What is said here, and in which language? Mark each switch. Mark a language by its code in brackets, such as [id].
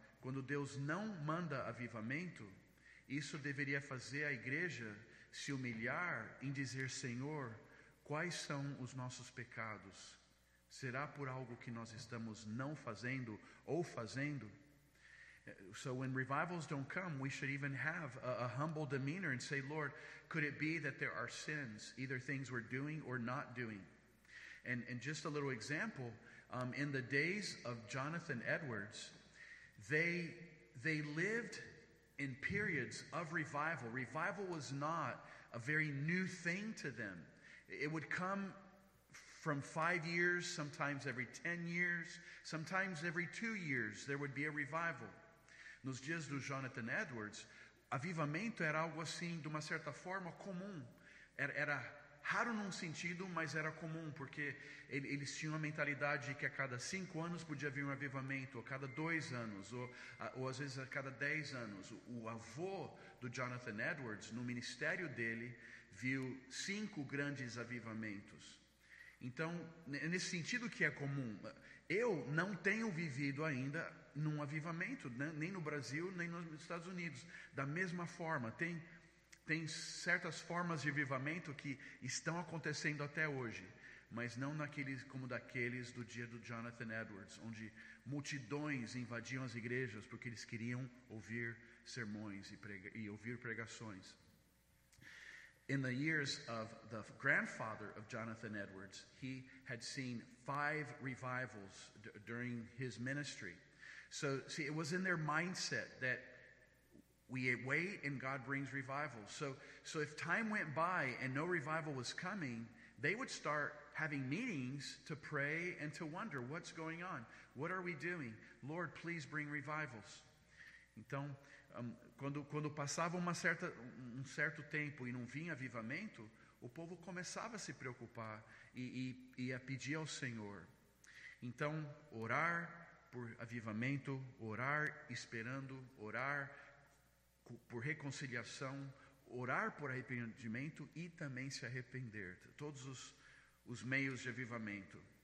[pt] Quando Deus não manda avivamento, isso deveria fazer a igreja se humilhar em dizer, Senhor, quais são os nossos pecados? Será por algo que nós estamos não fazendo ou fazendo? [en] So when revivals don't come, we should even have a humble demeanor and say, Lord, could it be that there are sins, either things we're doing or not doing? And just a little example, in the days of Jonathan Edwards, they lived in periods of revival. Revival was not a very new thing to them. It would come from 5 years, sometimes every 10 years, sometimes every 2 years, there would be a revival. [pt] Nos dias do Jonathan Edwards, avivamento era algo assim, de uma certa forma, comum. Era raro num sentido, mas era comum, porque eles tinham a mentalidade de que a cada 5 anos podia vir um avivamento, ou a cada 2 anos, ou às vezes a cada 10 anos. O avô do Jonathan Edwards, no ministério dele, viu 5 grandes avivamentos. Então, nesse sentido que é comum, eu não tenho vivido ainda num avivamento, nem no Brasil, nem nos Estados Unidos. Da mesma forma, tem certas formas de avivamento que estão acontecendo até hoje, mas não naqueles como daqueles do dia do Jonathan Edwards, onde multidões invadiam as igrejas porque eles queriam ouvir sermões e ouvir pregações. [en] In the years of the grandfather of Jonathan Edwards, he had seen 5 revivals during his ministry. So, see, it was in their mindset that we wait and God brings revival. So if time went by and no revival was coming, they would start having meetings to pray and to wonder, what's going on? What are we doing? Lord, please bring revivals. [pt] Então, quando passava um certo tempo e não vinha avivamento, o povo começava a se preocupar e a pedir ao Senhor. Então, orar por avivamento, orar esperando, orar por reconciliação, orar por arrependimento e também se arrepender. Todos os meios de avivamento.